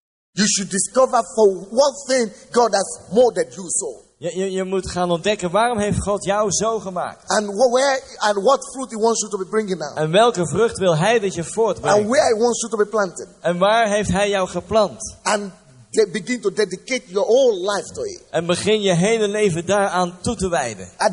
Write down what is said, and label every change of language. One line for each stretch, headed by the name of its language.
English: You should discover for one thing God has molded you so.
Dutch: Je moet gaan ontdekken waarom heeft God jou zo gemaakt.
English: And what fruit he wants you to be bringing now.
Dutch: En welke vrucht wil hij dat je voortbrengt.
English: And where he wants you to be planted.
Dutch: En waar heeft hij jou geplant.
English: And begin to dedicate your whole life to it.
Dutch: En begin je hele leven daaraan toe te wijden.